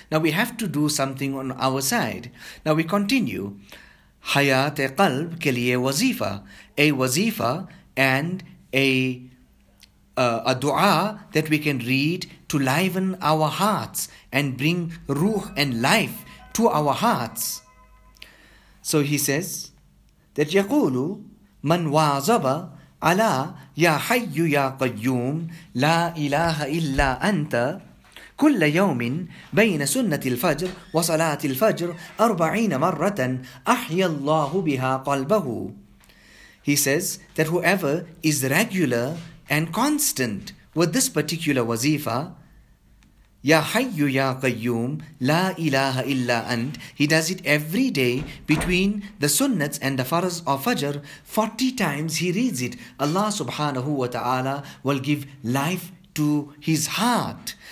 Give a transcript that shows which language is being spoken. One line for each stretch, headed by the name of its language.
English: Now we have to do something on our side. Now we continue.
Urdu: Hayat-e qalb ke liye wazifa.
English: A wazifa and a dua that we can read to liven our hearts and bring ruh and life to our hearts. So he says that
Arabic: يقول من واظب على يا حي يا قيوم لا إله إلا أنت كل يوم بين سنة الفجر وصلاة الفجر 40 مرة أحيا الله بها قلبه.
English: He says that whoever is regular and constant with this particular wazifa,
Arabic: Ya Hayyu Ya Qayyum La Ilaha Illa Ant,
English: he does it every day between the sunnats and the faras of Fajr. 40 times he reads it. Allah subhanahu wa ta'ala will give life to his heart.